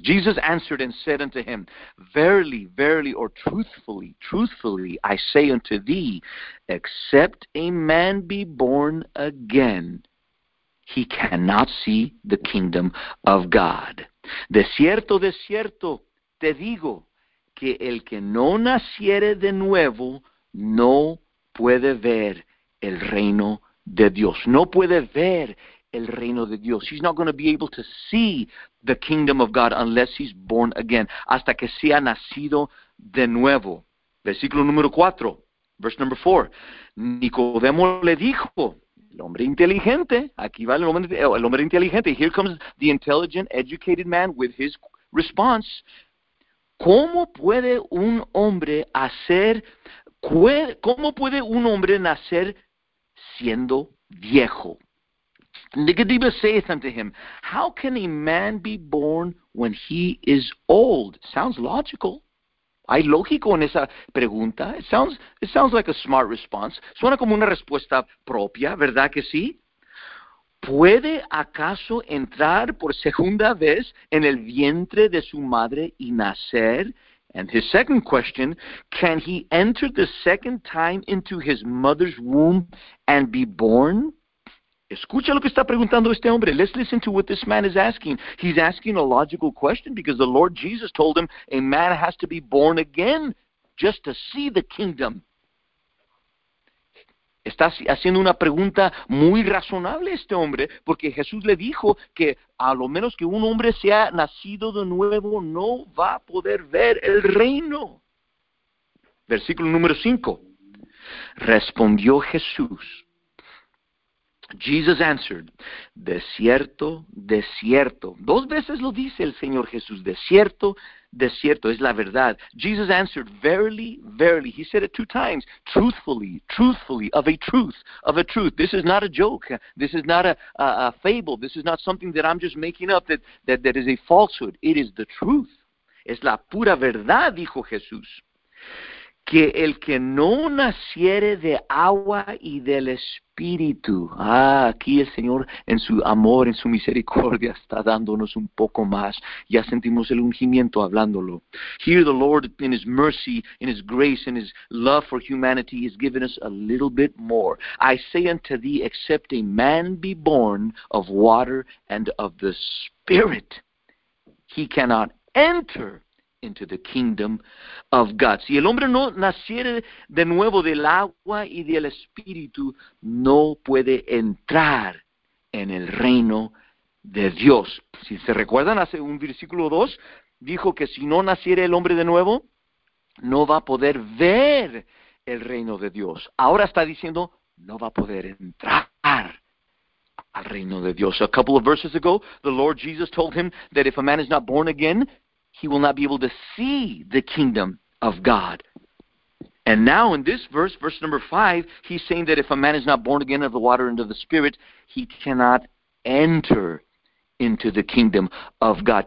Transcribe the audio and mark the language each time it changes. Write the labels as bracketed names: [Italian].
[English] Jesus answered and said unto him, verily, verily, or truthfully, truthfully, I say unto thee, except a man be born again, he cannot see the kingdom of God. [Spanish] De cierto, te digo, que el que no naciere de nuevo, no puede ver el reino de Dios. No puede ver el reino de Dios. [English] He's not going to be able to see the kingdom of God unless he's born again. [Spanish] Hasta que sea nacido de nuevo. Versículo número 4. [English] Verse number 4. [Spanish] Nicodemo le dijo, el hombre inteligente. Aquí va el hombre inteligente. [English] Here comes the intelligent, educated man with his response. [Spanish] ¿Cómo puede un hombre hacer, cómo puede un hombre nacer siendo viejo? [English] Nicodemus saith unto him, how can a man be born when he is old? Sounds logical. [Spanish] Hay lógico en esa pregunta. [English] It sounds like a smart response. [Spanish] Suena como una respuesta propia, ¿verdad que sí? ¿puede acaso entrar por segunda vez en el vientre de su madre y nacer? [English] And his second question, can he enter the second time into his mother's womb and be born? [Spanish] Escucha lo que está preguntando este hombre. [English] Let's listen to what this man is asking. He's asking a logical question because the Lord Jesus told him a man has to be born again just to see the kingdom. [Spanish] Está haciendo una pregunta muy razonable este hombre, porque Jesús le dijo que a lo menos que un hombre sea nacido de nuevo, no va a poder ver el reino. Versículo número 5. Respondió Jesús. [English] Jesus answered, [Spanish] de cierto, de cierto. Dos veces lo dice el Señor Jesús, de cierto, de cierto, es la verdad. [English] Jesus answered, verily, verily. He said it two times, truthfully, truthfully, of a truth, of a truth. This is not a joke. This is not a fable. This is not something that I'm just making up that is a falsehood. It is the truth. [Spanish] Es la pura verdad, dijo Jesús. Que el que no naciere de agua y del Espíritu. Ah, aquí el Señor en su amor, en su misericordia, está dándonos un poco más. Ya sentimos el ungimiento hablándolo. [English] Here the Lord, in His mercy, in His grace, in His love for humanity, has given us a little bit more. I say unto thee, except a man be born of water and of the Spirit, he cannot enter into the kingdom of God. [Spanish] Si el hombre no naciere de nuevo del agua y del espíritu, no puede entrar en el reino de Dios. Si se recuerdan, hace un versículo 2, dijo que si no naciere el hombre de nuevo, no va a poder ver el reino de Dios. Ahora está diciendo, no va a poder entrar al reino de Dios. [English] A couple of verses ago, the Lord Jesus told him that if a man is not born again, he will not be able to see the kingdom of God. And now in this verse, verse number 5, he's saying that if a man is not born again of the water and of the Spirit, he cannot enter into the kingdom of God.